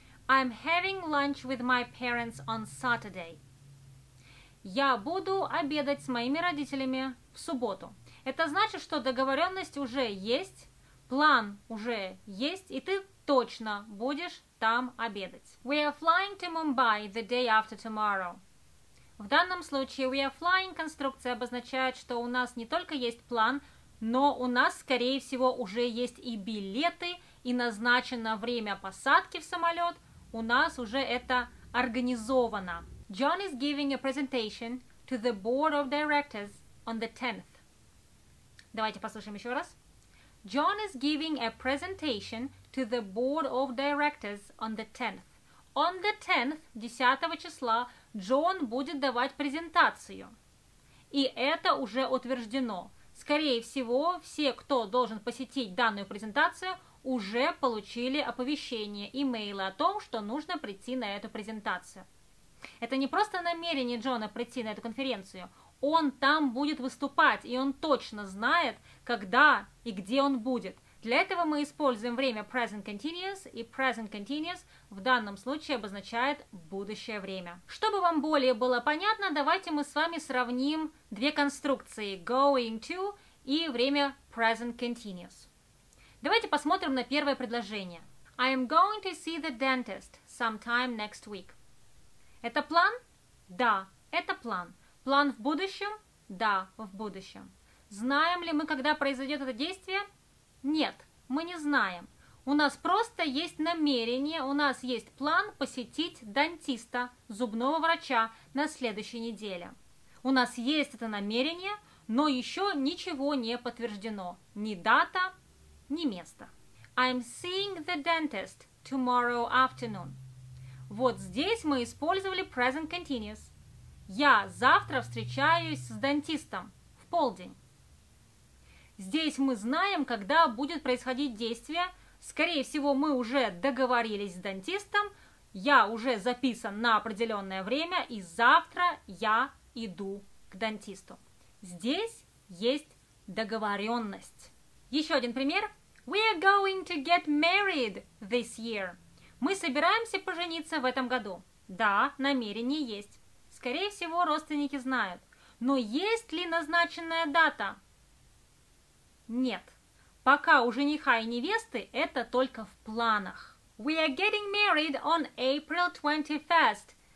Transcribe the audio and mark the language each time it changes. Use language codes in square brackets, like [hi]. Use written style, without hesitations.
[en] I'm having lunch with my parents on Saturday. [ru] Я буду обедать с моими родителями в субботу. Это значит, что договоренность уже есть, план уже есть, и ты точно будешь там обедать. [en] We are flying to Mumbai the day after tomorrow. [ru] В данном случае we are flying конструкция обозначает, что у нас не только есть план, но у нас, скорее всего, уже есть и билеты, и назначено время посадки в самолет. У нас уже это организовано. [en] John is giving a presentation to the board of directors on the 10th. [ru] Давайте послушаем еще раз. [en] John is giving a presentation to the board of directors on the 10th. [ru] On the 10th, 10 числа, Джон будет давать презентацию. И это уже утверждено. Скорее всего, все, кто должен посетить данную презентацию, уже получили оповещение, имейлы о том, что нужно прийти на эту презентацию. Это не просто намерение Джона прийти на эту конференцию. Он там будет выступать, и он точно знает, когда и где он будет. Для этого мы используем время present continuous, и present continuous в данном случае обозначает будущее время. Чтобы вам более было понятно, давайте мы с вами сравним две конструкции going to и время present continuous. Давайте посмотрим на первое предложение. [en] I am going to see the dentist sometime next week. [ru] Это план? Да, это план. План в будущем? Да, в будущем. Знаем ли мы, когда произойдет это действие? Нет, мы не знаем. У нас просто есть намерение, у нас есть план посетить дантиста, зубного врача, на следующей неделе. У нас есть это намерение, но еще ничего не подтверждено. [en] Ни дата, ни место. I'm seeing the dentist tomorrow afternoon. [ru] Вот здесь мы использовали present continuous. Я завтра встречаюсь с дантистом в полдень. Здесь мы знаем, когда будет происходить действие. Скорее всего, мы уже договорились с дантистом. Я уже записан на определенное время, и завтра я иду к дантисту. Здесь есть договоренность. Еще один пример. [en] We are going to get married this year. [ru] Мы собираемся пожениться в этом году. Да, намерение есть. Скорее всего, родственники знают. Но есть ли назначенная дата? Нет. Пока у жениха и невесты это только в планах. [en] We are getting married on April 21st.